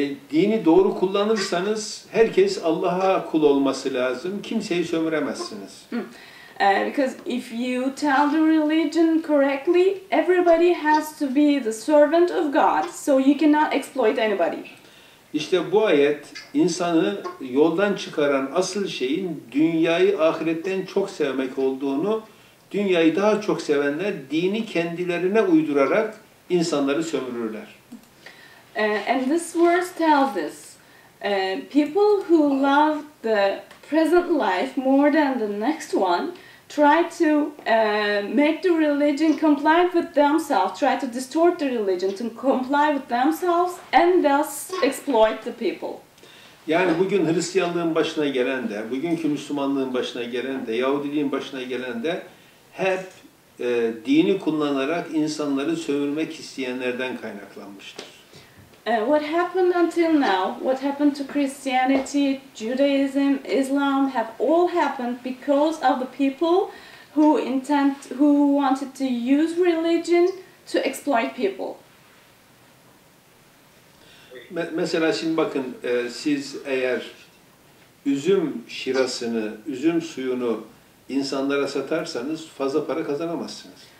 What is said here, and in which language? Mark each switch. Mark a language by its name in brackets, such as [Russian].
[Turkish] Dini doğru kullanırsanız herkes Allah'a kul olması lazım. Kimseyi sömüremezsiniz. Hmm. [English] Because if you tell the religion correctly, everybody has to be the servant of God, so you cannot exploit anybody. [Turkish] İşte bu ayet insanı yoldan çıkaran asıl şeyin dünyayı ahiretten çok sevmek olduğunu, dünyayı daha çok sevenler dini kendilerine uydurarak insanları sömürürler. [English] And this verse tells us, people who love the present life more than the next one try to make the religion comply with themselves, try to distort the religion to comply with themselves and thus exploit the people. [Turkish] Yani bugün Hristiyanlığın başına gelen de, bugünkü Müslümanlığın başına gelen de, Yahudiliğin başına gelen de hep dini kullanarak insanları sömürmek isteyenlerden kaynaklanmıştır. [English] What happened until now, what happened to Christianity, Judaism, Islam, have all happened because of the people who wanted to use religion to exploit people. [Turkish] Mesela şimdi bakın, siz eğer üzüm şirasını, üzüm suyunu insanlara satarsanız fazla para kazanamazsınız.